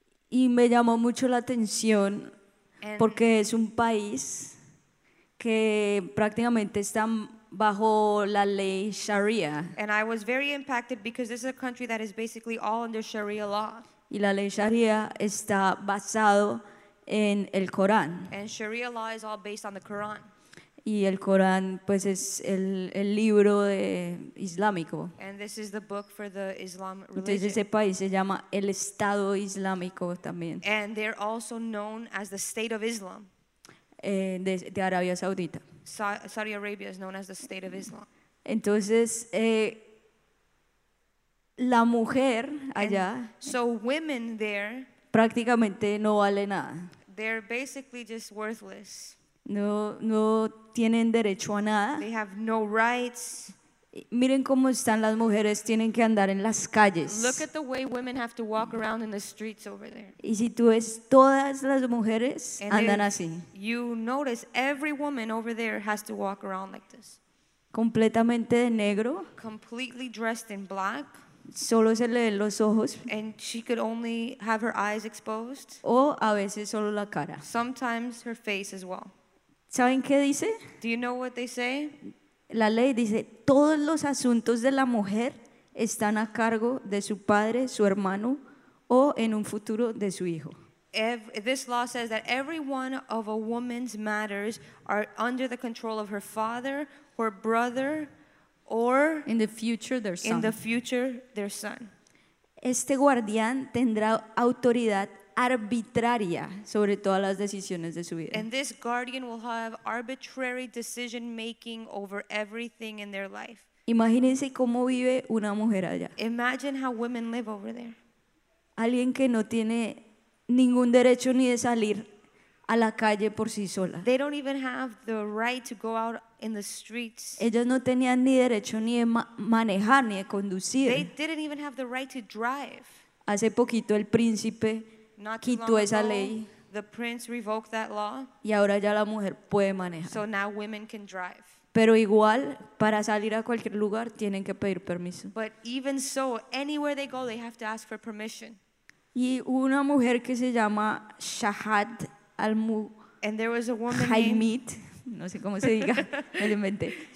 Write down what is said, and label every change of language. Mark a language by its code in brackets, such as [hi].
[es] Y me llamó mucho la atención porque es un país que prácticamente está bajo la ley Sharia. [en] And I was very impacted because this is a country that is basically all under Sharia law. [es] Y la ley Sharia está basado en el Corán. [en] And Sharia law is all based on the Quran. [es] Y el Corán pues es el libro de islámico. [en] And this is the book for the Islam religion. [es] Entonces ese país se llama el Estado Islámico también. [en] And they're also known as the State of Islam. [es] De Arabia Saudita. [en] Saudi Arabia is known as the State of Islam. [es] Entonces la mujer allá. And [en] so women there [es] prácticamente no vale nada. [en] They're basically just worthless. [es] No tienen derecho a nada. [en] They have no rights. [es] Miren cómo están las mujeres, tienen que andar en las calles. [en] Look at the way women have to walk around in the streets over there. [es] Y si tú ves, todas las mujeres andan así. [en] You notice every woman over there has to walk around like this. [es] Completamente de negro. [en] Completely dressed in black. [es] Solo se le ven los ojos. [en] And she could only have her eyes exposed. [es] O a veces solo la cara. [en] Sometimes her face as well. [es] ¿Saben qué dice? [en] Do you know what they say? [es] La ley dice, todos los asuntos de la mujer están a cargo de su padre, su hermano, o en un futuro de su hijo. [en] This law says that every one of a woman's matters are under the control of her father, her brother, or in the future their son. In the future, their son. [es] Este guardián tendrá autoridad arbitraria sobre todas las decisiones de su vida. [en] And this guardian will have arbitrary decision making over everything in their life. [es] Imagínense cómo vive una mujer allá. [en] Imagine how women live over there. [es] Alguien que no tiene ningún derecho ni de salir a la calle por sí sola. [en] They don't even have the right to go out in the streets. [es] Ellas no tenían ni derecho ni de manejar ni de conducir. [en] They didn't even have the right to drive. [es] Hace poquito el príncipe quitó esa ley. [en] The prince revoked that law. [es] Y ahora ya la mujer puede manejar. [en] So now women can drive. [es] Pero igual, para salir a cualquier lugar, tienen que pedir permiso. [en] But even so, anywhere they go, they have to ask for permission. [es] Y una mujer que se llama Shahad Al-Mu. [en] And there was a woman [es] Haimid, no sé cómo se diga, me lo inventé.